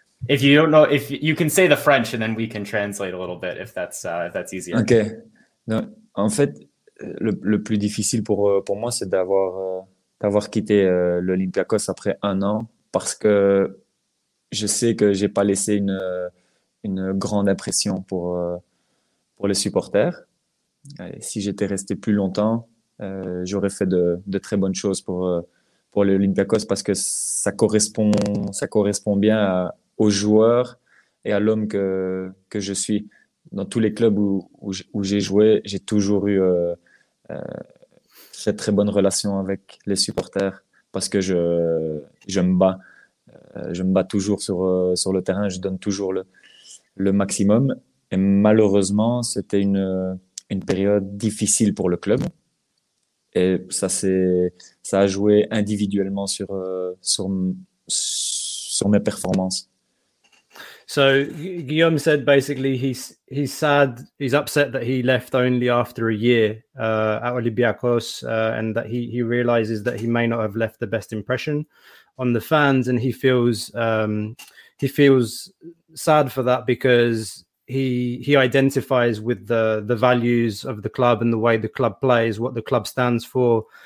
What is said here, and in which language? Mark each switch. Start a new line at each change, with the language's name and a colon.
English: If you don't know, if you can say the French and then we can translate a little bit if that's easier. Okay.
French: Non, en fait, le plus difficile pour moi, c'est d'avoir quitté l'Olympiacos après un an parce que je sais que j'ai pas laissé une grande impression pour les supporters. Et si j'étais resté plus longtemps, j'aurais fait de très bonnes choses pour l'Olympiacos parce que ça correspond bien aux joueurs et à l'homme que je suis. Dans tous les clubs où j'ai joué, j'ai toujours eu cette très bonne relation avec les supporters parce que je me bats toujours sur le terrain, je donne toujours le maximum. Et malheureusement, c'était une période difficile pour le club. Et ça a joué individuellement sur mes performances.
English: So Guillaume said basically he's sad, he's upset that he left only after a year at Olympiacos and that he realizes that he may not have left the best impression on the fans, and he feels sad for that because he identifies with the values of the club and the way the club plays, what the club stands for.